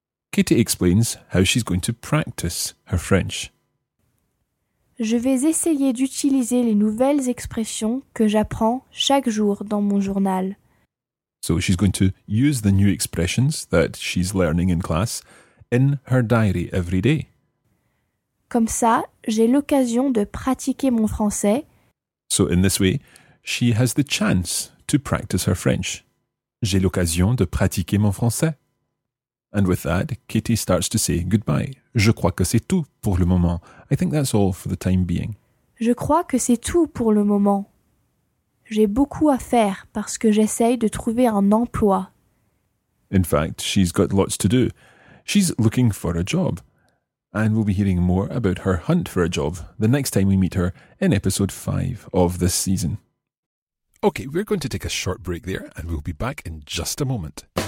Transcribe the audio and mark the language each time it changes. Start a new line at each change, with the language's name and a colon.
English: Katie explains how she's going to practice her French.
French: Je vais essayer d'utiliser les nouvelles expressions que j'apprends chaque jour dans mon journal.
English: So she's going to use the new expressions that she's learning in class in her diary every day.
French: Comme ça, j'ai l'occasion de pratiquer mon français.
English: So in this way, she has the chance to practice her French.
French: J'ai l'occasion de pratiquer mon français.
English: And with that, Kitty starts to say goodbye.
French: Je crois que c'est tout pour le moment.
English: I think that's all for the time being.
French: Je crois que c'est tout pour le moment. J'ai beaucoup à faire parce que j'essaye de trouver un emploi.
English: In fact, she's got lots to do. She's looking for a job. And we'll be hearing more about her hunt for a job the next time we meet her in episode 5 of this season. Okay, we're going to take a short break there and we'll be back in just a moment.